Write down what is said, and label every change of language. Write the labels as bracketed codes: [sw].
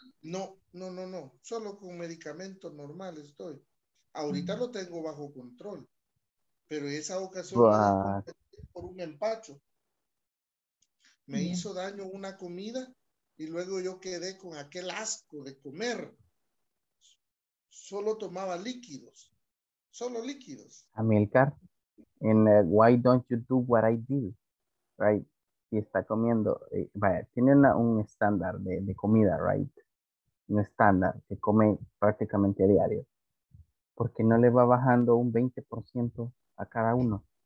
[es] No, solo con medicamentos normales estoy. Ahorita lo tengo bajo control, pero esa ocasión por un empacho. Me hizo daño una comida y luego yo quedé con aquel asco de comer. Solo tomaba líquidos, solo líquidos. [en] Amilcar, why don't you do what I did, right? [es] Y está comiendo, vaya, tiene un estándar de comida, [en] right? [es] Un estándar que come prácticamente a diario, porque no le va bajando un 20% a cada uno.